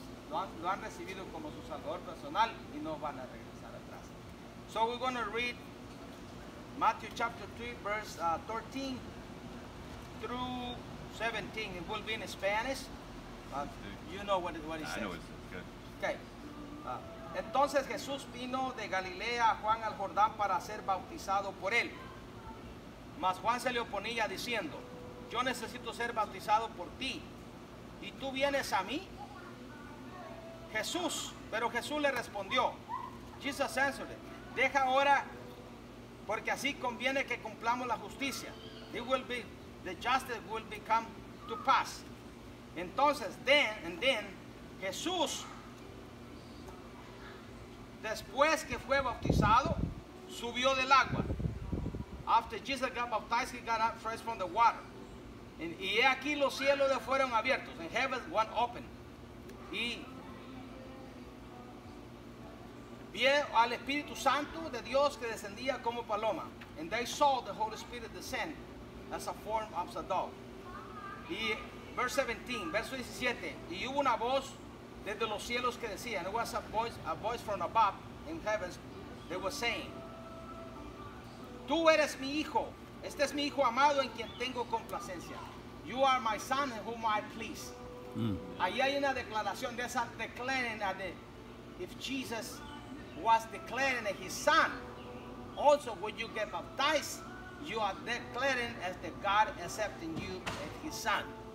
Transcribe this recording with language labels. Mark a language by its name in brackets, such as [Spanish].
[Spanish] Lo han recibido como su salvador personal y no van a regresar atrás. [English] So we're going to read Matthew chapter 3, verse 13 through 17. It will be in Spanish. You know what it says. I know it's good. Okay. [Spanish] Entonces Jesús vino de Galilea a Juan al Jordán para ser bautizado por él. Mas Juan se le oponía diciendo, yo necesito ser bautizado por ti. ¿Y tú vienes a mí? Jesús, pero Jesús le respondió. [English] Jesus answered, [Spanish] deja ahora, porque así conviene que cumplamos la justicia. [English] It will be, the justice will become to pass. [Spanish] Entonces, [English] then, [Spanish] Jesús, después que fue bautizado, subió del agua. [English] After Jesus got baptized, he got up fresh from the water. [Spanish] Y aquí los cielos fueron abiertos. [English] And heaven went open. [Spanish] Y vio al Espíritu Santo de Dios que descendía como paloma. [English] And they saw the Holy Spirit descend as a form of a dove. [Spanish] Y verso 17. Y hubo una voz desde los cielos que decía. [English] And it was a voice from above in heaven. They were saying, [Spanish] tú eres mi hijo. Este es mi hijo amado en quien tengo complacencia. [English] You are my son in whom I please. [Spanish] Ahí hay una declaración. [English] There's a declaring that if Jesus was declaring that his son, also when you get baptized, you are declaring as the God accepting you as his son.